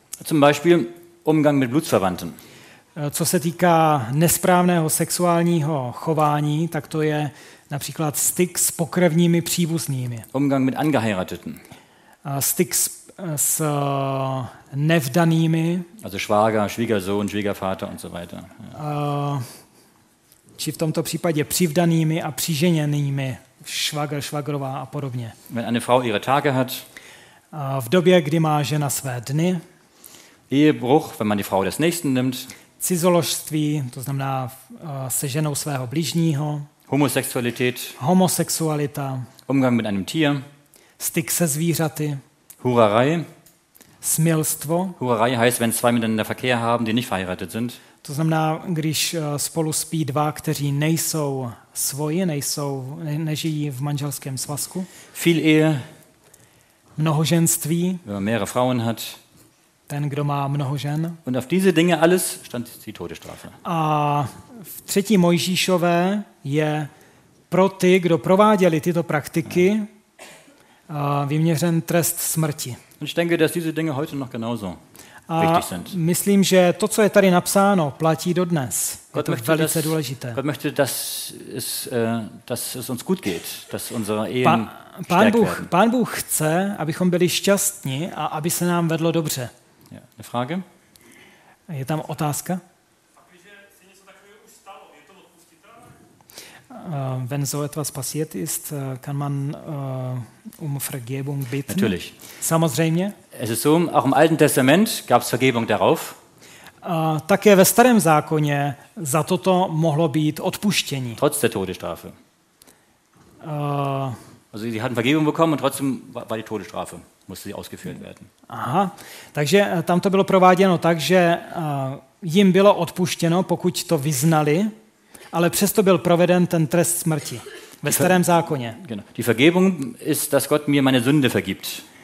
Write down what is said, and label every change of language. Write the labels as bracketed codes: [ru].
[de] Zum Beispiel Umgang mit Blutsverwandten. [cs] Co se týká nesprávného sexuálního chování, tak to je například styk s pokrevními příbuznými. [de] Umgang mit angeheirateten. [cs] Styk s nevdanými. [de] Also Schwager, Schwiegersohn, Schwiegervater und so weiter. [cs] Či v tomto případě přivdanými a přiženěnými, švagr, švagrová a podobně. [de] Wenn eine Frau ihre Tage hat. [cs] V době, kdy má žena své dny. [de] Ehebruch, wenn man die Frau des Nächsten nimmt. [cs] Cizoložství, to znamená se ženou svého bližního. [de] Homosexualität. [cs] Homosexualita. [de] Umgang mit einem Tier. [cs] Styk se zvířaty. [de] Hurerei. [cs] Smilstvo. [de] Hurerei heißt, wenn zwei miteinander Verkehr haben, die nicht verheiratet sind. [cs] To znamená, když spolu spí dva, kteří nejsou svoji, nežijí v manželském svazku. [de] Viel Ehe. [cs] Mnohoženství. [de] Wenn man mehrere Frauen hat. [cs] Ten, kdo má mnoho žen. [de] Und auf diese Dinge alles stand die Todesstrafe. [cs] A v 3. Mojžíšové je pro ty, kdo prováděli tyto praktiky, vyměřen trest smrti. [de] Und ich denke, dass diese Dinge heute noch genauso [cs] a [de] wichtig sind. [cs] Myslím, že to, co je tady napsáno, platí dodnes. Je to velice důležité. [de] Gott möchte, dass es uns gut geht, dass unsere Ehen [cs] Pán Bůh chce, abychom byli šťastní a aby se nám vedlo dobře. [de] Eine Frage? [cs] Je tam otázka? A když se něco takového už stalo, je to odpustitelné? [de] wenn so etwas passiert ist, kann man um Vergebung bitten. Natürlich. [cs] Samozřejmě. [de] Es ist so, auch im Alten Testament gab es Vergebung darauf. [cs] Také ve Starém zákoně za toto mohlo být odpuštění. [de] Trotz der Todesstrafe. Also sie hatten Vergebung bekommen und trotzdem war die Todesstrafe, musste sie ausgeführt werden. [cs] Aha, takže tam to bylo prováděno tak, že jim bylo odpuštěno, pokud to vyznali, ale přesto byl proveden ten trest smrti ve Starém zákoně. [de] Genau. Die Vergebung ist, dass Gott mir meine Sünde vergibt.